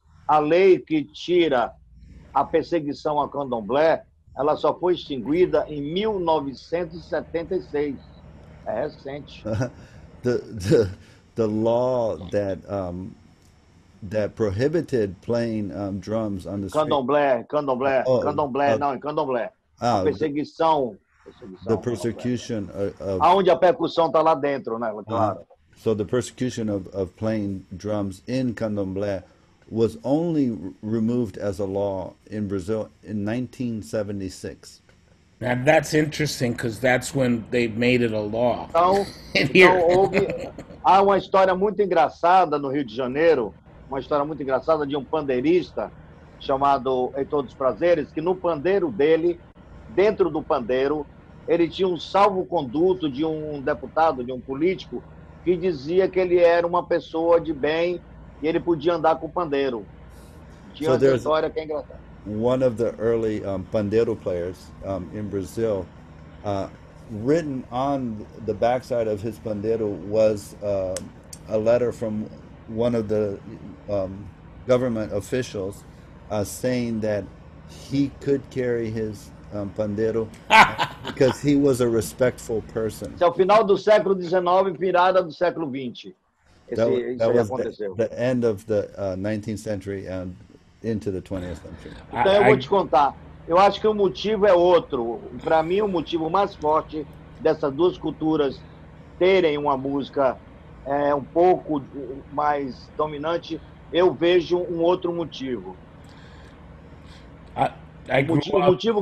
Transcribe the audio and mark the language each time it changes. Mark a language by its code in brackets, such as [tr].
[pt] A lei que tira a perseguição a candomblé, ela só foi extinguida em 1976. É recente. [en] The law that that prohibited playing drums on the candomblé, street. [pt] Candomblé. A perseguição. [en] The persecution. [pt] Aonde a percussão está lá dentro, né? Claro. [en] So the persecution of playing drums in candomblé was only removed as a law in Brazil in 1976. And that's interesting, because that's when they made it a law. [pt] Então, há uma história muito engraçada no Rio de Janeiro. Uma história muito engraçada de um pandeirista chamado Heitor dos Prazeres, que no pandeiro dele, dentro do pandeiro, ele tinha um salvo-conduto de um deputado, de um político, que dizia que ele era uma pessoa de bem e ele podia andar com o pandeiro. Tinha [en] so [pt] essa história que é engraçada. [en] One of the early pandeiro players in Brazil, written on the backside of his pandeiro was a letter from one of the government officials saying that he could carry his pandeiro because he was a respectful person. [pt] Isso é o final do século XIX, virada do século XX. [en] The end of the 19th century and into the 20th century. [pt] Então eu vou te contar. Eu acho que o motivo é outro. Para mim, o motivo mais forte dessas duas culturas terem uma música um pouco mais dominante, eu vejo um outro motivo. O motivo